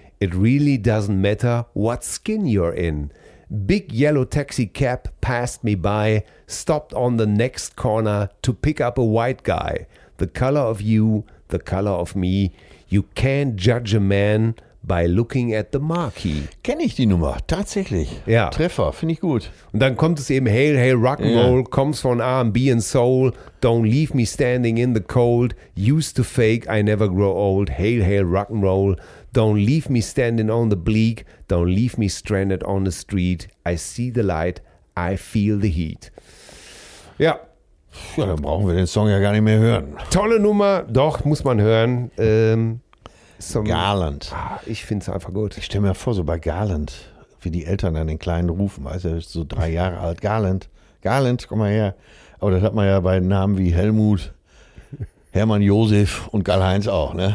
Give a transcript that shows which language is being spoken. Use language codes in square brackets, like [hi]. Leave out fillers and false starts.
[en] It really doesn't matter what skin you're in. Big yellow taxi cab passed me by, stopped on the next corner to pick up a white guy. The color of you, the color of me. You can't judge a man by looking at the marquee. [de] Kenne ich die Nummer, tatsächlich. Ja. Treffer, finde ich gut. Und dann kommt es eben, [en] Hail, Hail, Rock'n'Roll, yeah. Comes [de] von [en] R&B and Soul, Don't Leave Me Standing in the Cold, Used to Fake, I Never Grow Old, Hail, Hail, Rock'n'Roll, Don't Leave Me Standing on the Bleak, Don't Leave Me Stranded on the Street, I See the Light, I Feel the Heat. [de] Ja. Ja, dann brauchen wir den Song ja gar nicht mehr hören. Tolle Nummer, doch, muss man hören. Garland. Ich finde es einfach gut. Ich stelle mir vor, so bei Garland, wie die Eltern an den Kleinen rufen, weißt du, so 3 Jahre alt. Garland, Garland, komm mal her. Aber das hat man ja bei Namen wie Helmut, Hermann Josef und Karl-Heinz auch, ne?